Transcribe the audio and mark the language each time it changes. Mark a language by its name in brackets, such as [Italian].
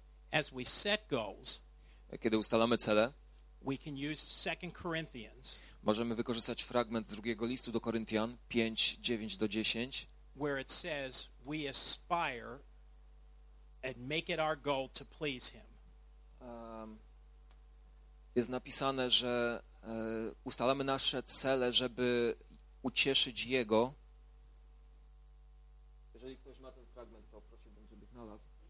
[English] As we set goals, [Polish] kiedy ustalamy cele, [English] we can use 2 Corinthians, [Polish] możemy wykorzystać fragment z drugiego listu do Koryntian 5:9-10, [English] where it says we aspire and make it our goal to please him. [Polish] Jest napisane, że ustalamy nasze cele, żeby ucieszyć Jego. Jeżeli ktoś ma ten fragment, to prosiłbym, żeby znalazł.